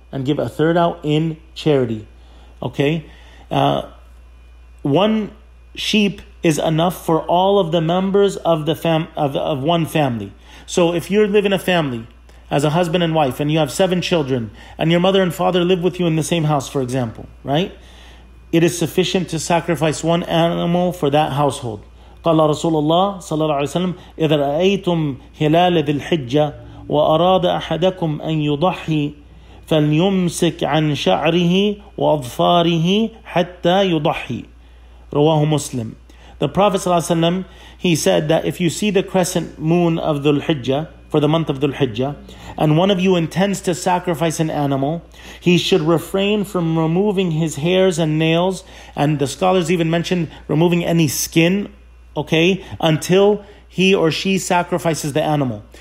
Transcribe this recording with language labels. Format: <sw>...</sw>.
<en>And give a third out in charity. Okay? One sheep is enough for all of the members of the of one family. So if you live in a family as a husband and wife, and you have seven children, and your mother and father live with you in the same house, for example, right? It is sufficient to sacrifice one animal for that household.</en> <ar>قال رسول الله صلى الله عليه وسلم إذا رأيتم هلال ذي الحجة وأراد أحدكم أن يضحي فليمسك عن شعره وأظفاره حتى يضحي رواه مسلم.</ar> <en>The Prophet صلى الله عليه وسلم, he said that if you see the crescent moon of ذو الحجة, for the month of Dhul Hijjah, and one of you intends to sacrifice an animal, he should refrain from removing his hairs and nails, and the scholars even mentioned removing any skin, okay, until he or she sacrifices the animal.</en>